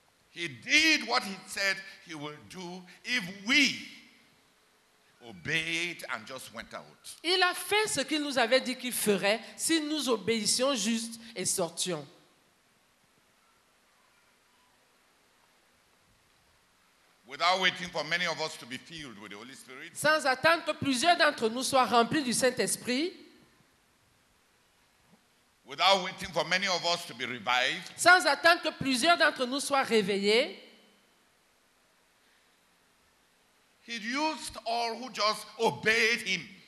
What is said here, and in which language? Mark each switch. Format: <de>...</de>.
<en>He did what he said he would do if we obeyed and just went out.</en> <fr>Il a fait ce qu'il nous avait dit qu'il ferait si nous obéissions juste et sortions.</fr> <en>Without waiting for many of us to be filled with the Holy Spirit.</en> <fr>Sans attendre que plusieurs d'entre nous soient remplis du Saint-Esprit.</fr> <en>Without waiting for many of us to be revived.</en> <fr>Sans attendre que plusieurs d'entre nous soient réveillés.</fr> <en>He used all who just obeyed him.</en>